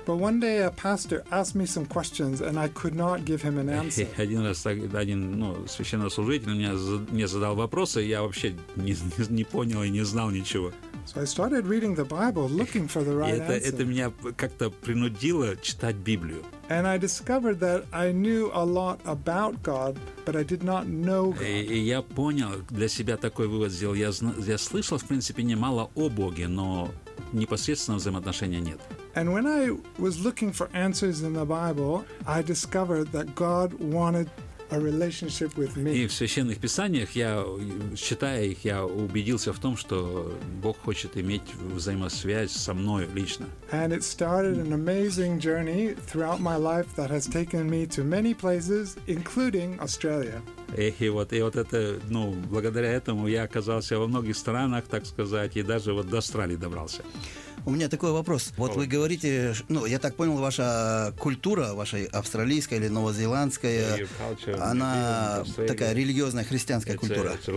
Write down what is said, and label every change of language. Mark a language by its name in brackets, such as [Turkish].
[English] But one day a pastor asked me some questions and I could not give him an answer. [Russian] Один раз священнослужитель мне задал вопросы, я вообще не понял и не знал ничего. [English] So I started reading the Bible, looking for the right answer. [Russian] Это меня как-то принудило читать Библию. [English] And I discovered that I knew a lot about God, but I did not know God. [Russian] И я понял, для себя такой вывод сделал. Я слышал, в принципе, немало о Боге, но непосредственного взаимоотношения нет. [English] And when I was looking for answers in the Bible, I discovered that God wanted a relationship with me. [Russian] И в священных писаниях, я читая их, я убедился в том, что Бог хочет иметь взаимосвязь со мной лично. [English] And it started an amazing journey throughout my life that has taken me to many places, including Australia. [Russian] И вот это, ну, благодаря этому я оказался во многих странах, так сказать, и даже вот до Австралии добрался. У меня такой вопрос. Вот вы говорите, ну, я так понял, ваша культура, ваша австралийская или новозеландская, она такая религиозная, христианская культура.